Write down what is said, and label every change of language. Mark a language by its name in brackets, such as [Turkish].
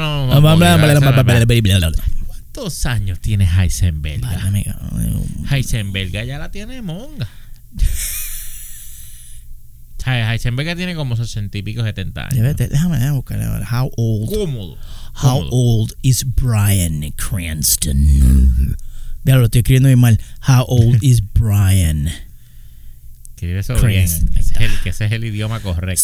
[Spanish] Pero ven acá, vamos a hablar. ¿Cuántos años tiene Heisenberg? Vale, amiga. Heisenberg ya la tiene monga. Heisenberg tiene como 60 y pico, 70 años. Déjame buscarle. [English] How old? [Spanish] Cómodo. [English] How old is Bryan Cranston? [Spanish] Ya lo estoy escribiendo bien mal. [English] How old is Bryan? [Spanish] Escribe eso bien. Ese es el idioma correcto.